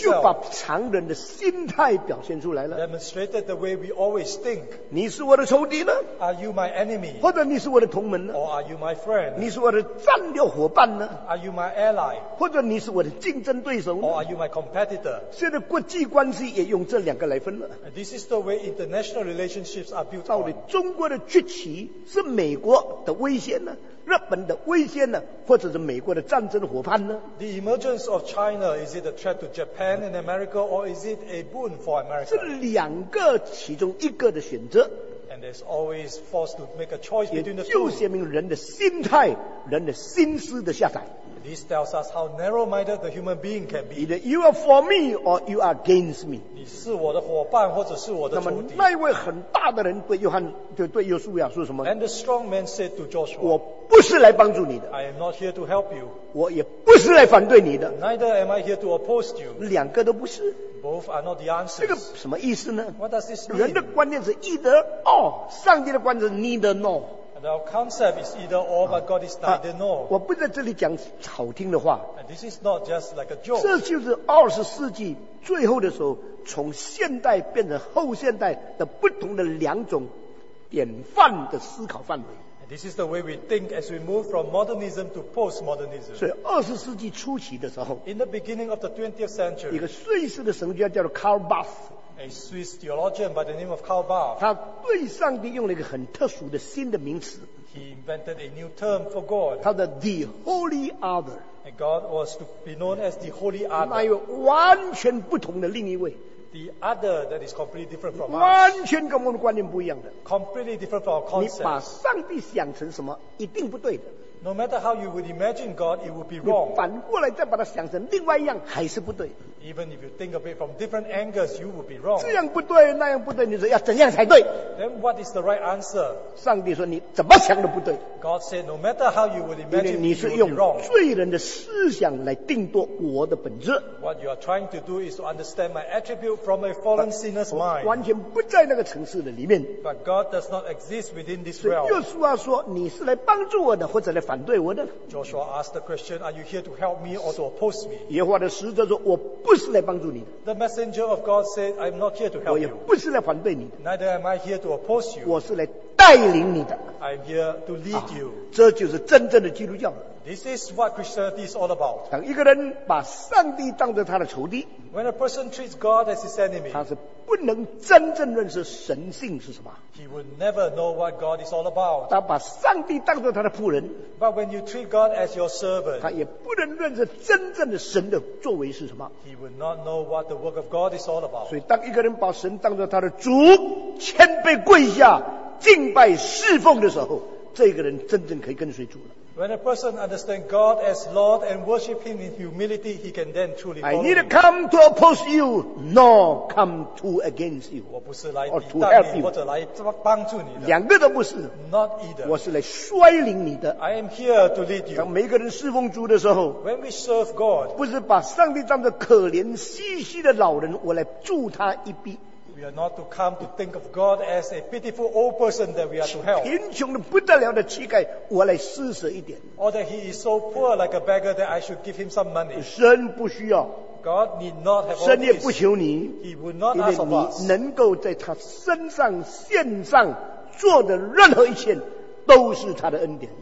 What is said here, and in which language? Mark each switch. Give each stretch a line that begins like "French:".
Chinese: 就把常人的心态表现出来了。
English: Demonstrated the way we always think.
Chinese: 你是我的仇敌呢
English: ？Are you my enemy?
Chinese: 或者你是我的同盟呢
English: ？Or are you my friend?
Chinese: 你是我的战略伙伴呢
English: ？Are you my ally?
Chinese: 或者你是我的竞争对手呢
English: ？Or are you my competitor?
Chinese: 现在国际关系也用这两个来分了。
English: This is the way international relationships are built.
Chinese: 到底中国的崛起是美国的威危险呢？日本的危险呢？或者是美国的战争伙伴呢？
English: The emergence of China, is it a threat to Japan and America, or is it a boon for America?
Chinese: 是两个其中一个的选择。
English: And there's always forced to make a choice between the two.
Chinese: 也就说明人的心态，人的心思的下载。
English: This tells us how narrow-minded the human being can be. Either you are for me or you are against me.
Chinese: 你是我的伙伴，或者是我的仇敌。那么那一位很大的人对约翰，就对约书亚说什么
English: ？And the strong man said to Joshua,
Chinese: 我不是来帮助你的。
English: I am not here to help you.
Chinese: 我也不是来反对你的。
English: Neither am I here to oppose you.
Chinese: 两个都不是。
English: Both are not the answers.
Chinese: 这个什么意思呢
English: ？What does this mean?
Chinese: 人的观念是
English: either or，
Chinese: 上帝的观念是
English: neither nor。 The concept is either or, but God is neither nor.
Chinese: 我不在这里讲好听的话。
English: And this is not just like a joke.
Chinese: 这就是二十世纪最后的时候，从现代变成后现代的不同的两种典范的思考范围。
English: And this is the way we think as we move from modernism to postmodernism.
Chinese: 所以二十世纪初期的时候
English: ，In the beginning of the 20th century,
Chinese: 一个瑞士的神学家叫做 Karl Barth。
English: A Swiss theologian by the name of Karl Barth.
Chinese: 他对上帝用了一个很特殊的新的名词。
English: He invented a new term for God.
Chinese: 他的
English: the Holy Other. And God was to be known as the Holy Other.
Chinese: 那有完全不同的另一位。
English: The other that is completely different from us.
Chinese: 完全跟我们的观念不一样的。
English: Completely different from our concept.
Chinese: 你把上帝想成什么，一定不对的。
English: No matter how you would imagine God, it would be wrong.
Chinese: 你反过来再把它想成另外一样，还是不对。
English: Even if you think of it from different angles, you would be wrong.
Chinese: 这样不对，那样不对，你说要怎样才对？
English: Then what is the right answer?
Chinese: 上帝说你怎么想都不对。
English: God said, no matter how you would imagine, you would be wrong.
Chinese: 你是用罪人的思想来定夺我的本质。
English: What you are trying to do is to understand my attribute from a fallen sinner's mind.
Chinese: 完全不在那个层次的里面。
English: But God does not exist within this realm.
Chinese: 约书亚说你是来帮助我的，或者来反对我的。
English: Joshua asked the question, are you here to help me or to oppose me?
Chinese: 耶和华的使者说我不是来帮助你的。
English: The messenger of God said, I'm not here to help you.
Chinese: 我也不是来反对你的。
English: Neither am I here to oppose you.
Chinese: 我是来带领你的。
English: I'm here to lead you.
Chinese: 这就是真正的基督教。
English: This is what Christianity is all about.
Chinese: 当一个人把上帝当作他的仇敌，
English: When a person treats God as his enemy,
Chinese: 他是不能真正认识神性是什么。
English: He would never know what God is all about.
Chinese: 他把上帝当作他的仆人，
English: But when you treat God as your servant,
Chinese: 他也不能认识真正的神的作为是什么。
English: He would not know what the work of God is all about.
Chinese: 所以当一个人把神当作他的主，谦卑跪下敬拜侍奉的时候，这个人真正可以跟随主了。
English: When a person understands God as Lord and worship Him in humility, he can then truly follow Him. I neither come to oppose you nor come to against you.
Chinese: 我不是来抵挡你或者来帮助你的。两个都不是。
English: Not either.
Chinese: 我是来率领你的。
English: I am here to lead you.
Chinese: 当每个人侍奉主的时候，
English: When we serve God,
Chinese: 不是把上帝当作可怜兮兮的老人，我来助他一臂。
English: We are not to come to think of God as a pitiful old person that we are to help.
Chinese: 贫穷的不得了的乞丐，我来施舍一点。
English: Or that he is so poor like a beggar that I should give him some money.
Chinese: 神不需要。
English: God need not have all
Chinese: this. 神也不求你。
English: He would not ask of us.
Chinese: 因为你能够在他身上献上做的任何一切，都是他的恩典。